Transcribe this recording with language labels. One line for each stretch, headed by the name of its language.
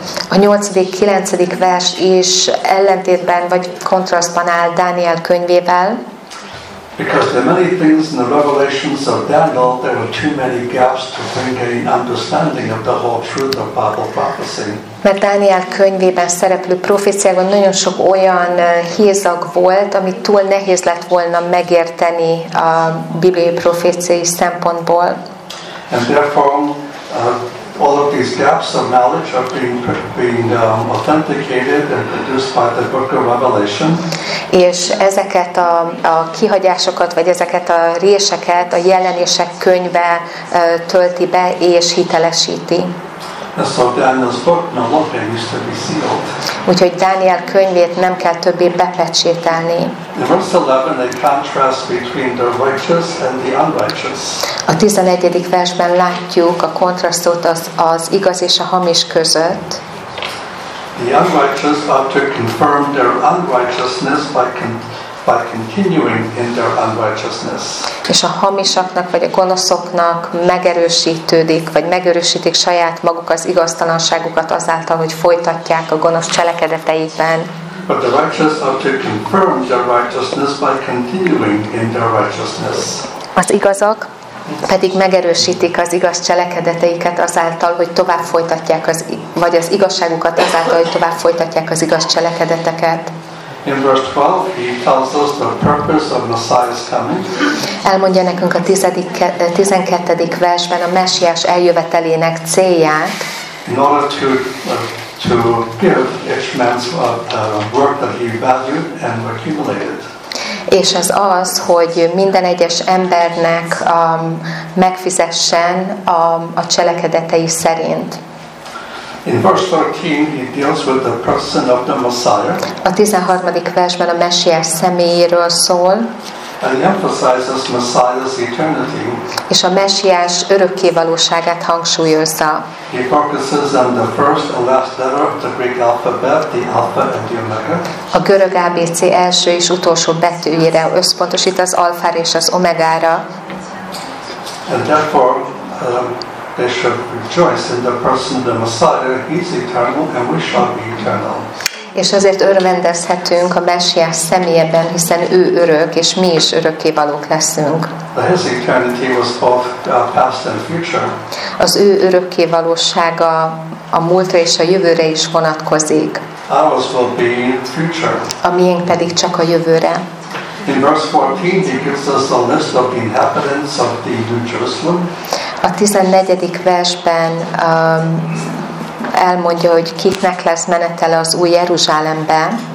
Hungarian: A 8. 9. vers is ellentétben vagy kontrasztban áll Dániel könyvével.
English: Because there are many things in the revelations of Daniel, there are too many gaps to bring any understanding of the whole truth of Bible prophecy.
Hungarian: Mert Dániel könyvében szereplő proféciákban nagyon sok olyan hézag volt, amit túl nehéz lett volna megérteni a bibliai proféciai szempontból.
English: And therefore, all of these gaps of knowledge are being authenticated and produced by the book of Revelation.
Hungarian: És ezeket a kihagyásokat, vagy ezeket a réseket a jelenések könyve tölti be és hitelesíti.
English: So Daniel's book no longer needs to be sealed.
Hungarian: Úgyhogy Dániel könyvét nem kell többé bepecsételni.
English: In verse 11, a contrast between the righteous and the unrighteous.
Hungarian: A 11. versben látjuk a kontrasztot az igaz és a hamis között.
English: The unrighteous are to confirm their unrighteousness by continuing in their unrighteousness.
Hungarian: És a hamisaknak vagy a gonoszoknak megerősítődik, vagy megerősítik saját maguk az igaztalanságukat azáltal, hogy folytatják a gonosz cselekedeteikben.
English: But the righteous are to confirm their righteousness by continuing in their righteousness.
Hungarian: Az igazak pedig megerősítik az igaz cselekedeteiket azáltal, hogy tovább folytatják vagy az igazságukat azáltal, hogy tovább folytatják az igaz cselekedeteket.
English: In verse 12, he tells us the purpose of Messiah's coming.
Hungarian: Elmondja nekünk a 12. versben a Mesiás eljövetelének célját.
English: In order to give each man's work that he valued and accumulated.
Hungarian: És ez az, hogy minden egyes embernek megfizessen a cselekedetei szerint.
English: In verse 13, he deals with the person of the Messiah.
Hungarian: A 13. versben a Messiás személyéről szól.
English: And he emphasizes Messiah's eternity.
Hungarian: És a Messiás örökkévalóságát hangsúlyozza.
English: He focuses on the first and last letter of the Greek alphabet, the Alpha and the Omega.
Hungarian: A görög ABC első és utolsó betűjére összpontosít, az alfára és az omegára.
English: And therefore, they should rejoice in the person of the Messiah. He's eternal, and we shall be eternal.
Hungarian: És ezért örvendezhetünk a Messiás személyében, hiszen ő örök, és mi is örökkévalók leszünk.
English: His eternity was both past and future.
Hungarian: Az ő örökkévalósága a múltra és a jövőre is vonatkozik.
English: Ours will be future.
Hungarian: A miénk pedig csak a jövőre.
English: In verse 14, he gives us a list of the inhabitants of the New Jerusalem.
Hungarian: A 14. versben elmondja, hogy kiknek lesz menetele az új Jeruzsálembe.